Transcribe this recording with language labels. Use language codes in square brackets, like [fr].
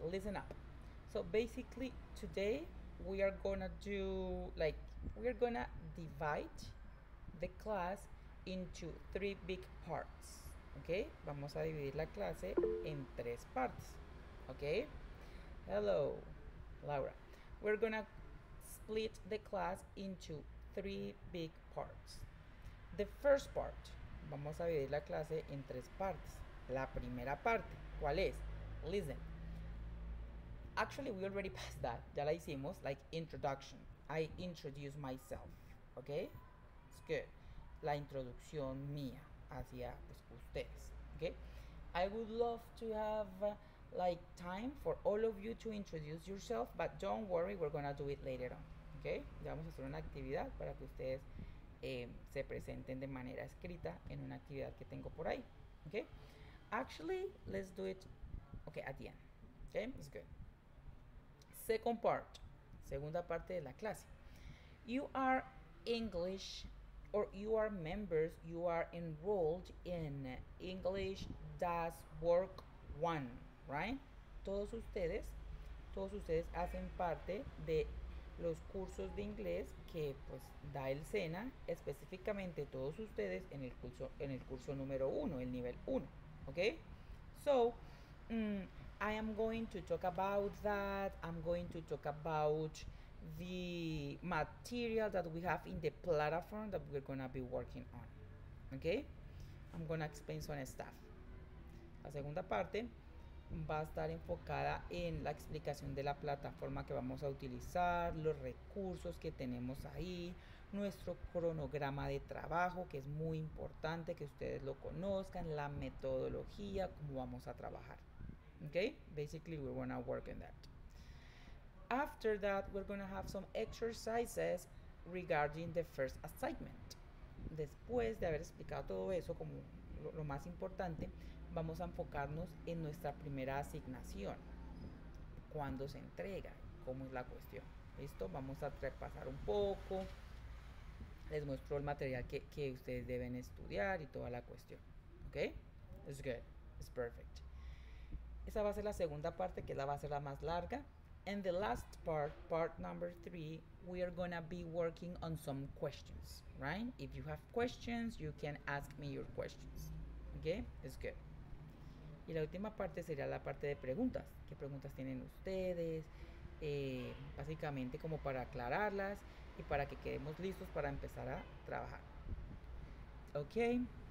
[en] Listen up. So basically, today we are gonna do, like, we are gonna divide the class into three big parts. Ok. [es] Vamos a dividir la clase en tres partes. [en] Ok. Hello, Laura. We're gonna split the class into three big parts. The first part. [es] Vamos a dividir la clase en tres partes. La primera parte, ¿cuál es? [en] Listen. Actually, we already passed that. [es] Ya la hicimos, [en] like introduction. I introduce myself, okay? It's good. [es] La introducción mía hacia pues, ustedes, okay? [en] I would love to have... like time for all of you to introduce yourself, but don't worry, we're gonna do it later on, okay? [es] Ya vamos a hacer una actividad para que ustedes se presenten de manera escrita en una actividad que tengo por ahí, okay? [en] Actually, let's do it Okay, at the end. Okay, that's good. Second part. [es] Segunda parte de la clase. [en] You are English, or you are members, you are enrolled in English Does Work One, right? [es] Todos ustedes hacen parte de los cursos de inglés que pues da el SENA, específicamente todos ustedes en el curso número uno, el nivel uno, okay? [en] So, I am going to talk about that. I'm going to talk about the material that we have in the platform that we're going to be working on, okay? I'm going to explain some stuff. [es] La segunda parte va a estar enfocada en la explicación de la plataforma que vamos a utilizar, los recursos que tenemos ahí, nuestro cronograma de trabajo, que es muy importante que ustedes lo conozcan, la metodología, cómo vamos a trabajar. [en] Okay? Basically, we're going to work on that. After that, we're going to have some exercises regarding the first assignment. [es] Después de haber explicado todo eso, como lo más importante, vamos a enfocarnos en nuestra primera asignación. ¿Cuándo se entrega? ¿Cómo es la cuestión? ¿Listo? Vamos a repasar un poco. Les muestro el material que ustedes deben estudiar y toda la cuestión. ¿Ok? [en] It's good. It's perfect. [es] Esa va a ser la segunda parte, que la va a ser la más larga. [en] And the last part, part number three, we are going to be working on some questions. Right? If you have questions, you can ask me your questions. ¿Ok? It's good. [es] Y la última parte sería la parte de preguntas. ¿Qué preguntas tienen ustedes? Básicamente como para aclararlas y para que quedemos listos para empezar a trabajar. Ok.